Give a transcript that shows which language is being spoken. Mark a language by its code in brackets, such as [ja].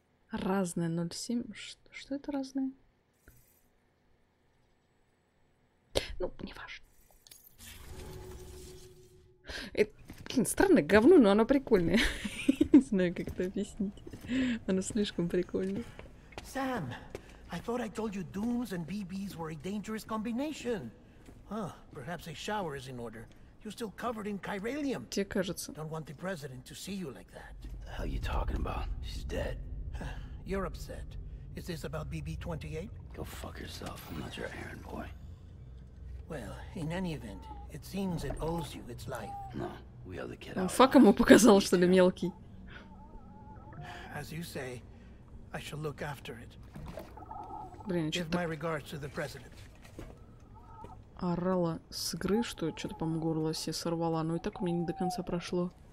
[ru] Разное 0,7. Что это разное? Ну, не важно. Это, блин, странное говно, но оно прикольное. Не знаю, как это объяснить. Оно слишком прикольное. [en] Sam, I thought I told you Dooms and BBs were a dangerous combination. Huh, perhaps a shower is in order. You're still covered in chiralium. [ru] Тебе кажется. [en] Don't want the president to see you like that. The hell you talking about? She's dead. You're upset. Is this about BB-28? Go fuck yourself. I'm not your errand boy. Well, in any event, it seems it owes you its life. No, we owe the kid. [ru] Он фак ему показал, что ли, мелкий? [en] As you say, I shall look after it. [ru] Блин, что-то... [en] Give my regards to the president. [ru] Орала с игры, что что-то, по-моему, горло себе сорвала, но и так у меня не до конца прошло.